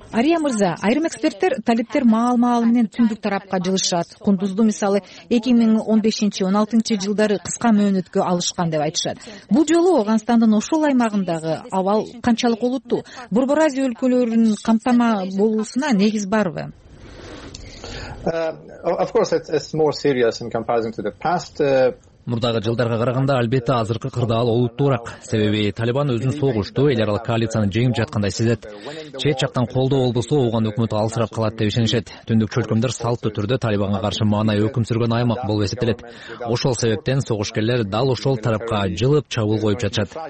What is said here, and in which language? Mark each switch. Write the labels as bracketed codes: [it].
[ky] Ария мырза, айрым эксперттер талиптер маал-маал менен түндүк тарапка жылышат. Кундузду мисалы 2015-16 жылдары кыска мөөнөткө алышкан деп айтышат. Бул жолу Ооганстандын ошол аймагындагы абал канчалык олуттуу? Борбор Азия өлкөлөрүнүн камтама болуусуна негиз барбы? [en] Of course, it's more serious in comparison to the past. [ky] Мурдагы жылдарга караганда албетте азыркы кырдаал олуттуурак. Себеби Талибан өзүн согушту эл аралык коалицияны жеңип жаткандай сезет. Чет жактан колдоо болбосо ооган өкмөт алсырап калат деп ишенишет. Түндүк чөлкөмдөр салттуу түрдө Талибанга каршы маанай өкүм сүргөн аймак болуп эсептелет. Ошол себептен согушкерлер дал ошол тарапка жылып чабуул коюп жатышат.